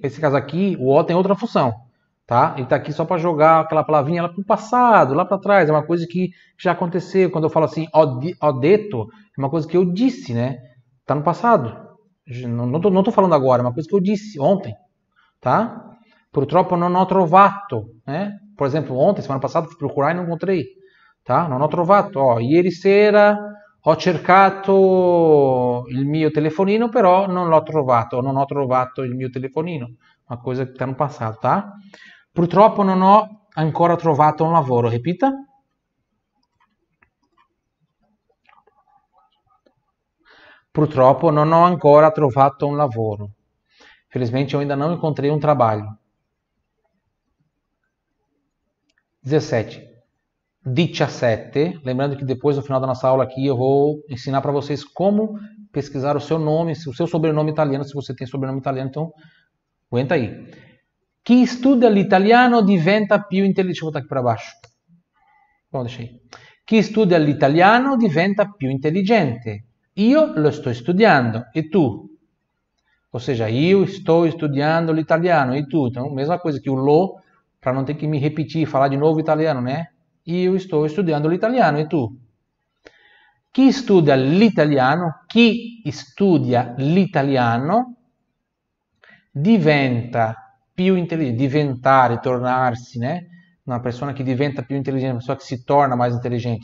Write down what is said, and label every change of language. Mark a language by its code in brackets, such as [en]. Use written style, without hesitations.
[pt] Nesse caso aqui, o O tem outra função, tá? Ele está aqui só para jogar aquela palavrinha lá para o passado, lá para trás. É uma coisa que já aconteceu. Quando eu falo assim, odeto, é uma coisa que eu disse, né? Tá no passado. Não tô falando agora, é uma coisa que eu disse ontem, tá? [it] Purtroppo non ho trovato, né? [pt] Por exemplo, ontem, semana passada, fui procurar e não encontrei, tá? [it] Non ho trovato, [pt] ó. [it] Ieri sera Ho cercato il mio telefonino, però non l'ho trovato. Non ho trovato il mio telefonino, una cosa che ti hanno passato. Purtroppo non ho ancora trovato un lavoro, capito? Purtroppo non ho ancora trovato un lavoro. [pt] Felizmente, io ainda non incontrei un trabalho. 17. 17, lembrando que depois no final da nossa aula aqui eu vou ensinar para vocês como pesquisar o seu nome, o seu sobrenome italiano, se você tem sobrenome italiano, então aguenta aí. [it] Chi studia l'italiano diventa più intelligente. [pt] Deixa eu botar aqui para baixo. Bom, deixa aí. [it] Chi studia l'italiano diventa più intelligente. Io lo sto studiando, e tu? [pt] Ou seja, [it] io sto studiando l'italiano, e tu? [pt] Então, mesma coisa que o lo, para não ter que me repetir e falar de novo italiano, né? [it] Io sto studiando l'italiano, e tu? Chi studia l'italiano? Chi studia l'italiano diventa più intelligente. Diventare, tornarsi, né? Una persona che diventa più intelligente, una persona che si torna mais intelligente.